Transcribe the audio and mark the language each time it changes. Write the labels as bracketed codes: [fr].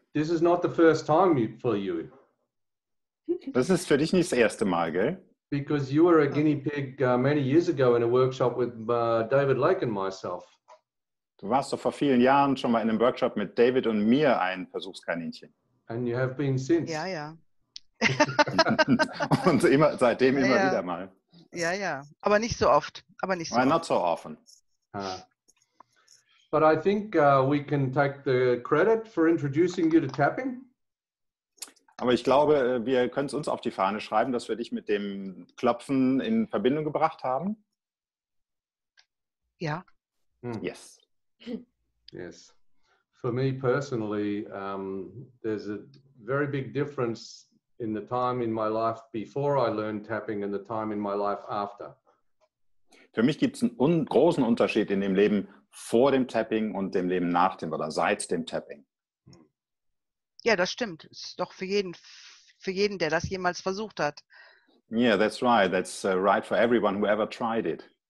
[en] This is not the first time for you. [de] Das ist für dich nicht das erste Mal, gell? [en] Because you were a guinea pig many years ago in a workshop with David Lake and myself. [de] Du warst doch vor vielen Jahren schon mal in einem Workshop mit David und mir ein Versuchskaninchen. [en] And you have been since. [de] Ja, ja. Und immer seitdem immer ja, ja. Wieder mal. Ja, ja, aber nicht so oft. Aber nicht so [en] Why [de] oft. [en] Not so often. But I think we can take the credit for introducing you to tapping. [de] Aber ich glaube, wir können es uns auf die Fahne schreiben, dass wir dich mit dem Klopfen in Verbindung gebracht haben. Ja. [en] Yes. Yes. For me personally, there's a very big difference in the time in my life before I learned tapping and the time in my life after. [de] Für mich gibt es einen großen Unterschied in dem Leben vor dem Tapping und dem Leben nach dem oder seit dem Tapping. Ja, das stimmt. Das ist doch für jeden, der das jemals versucht hat. [en] Yeah, that's right. That's right for everyone who ever tried it.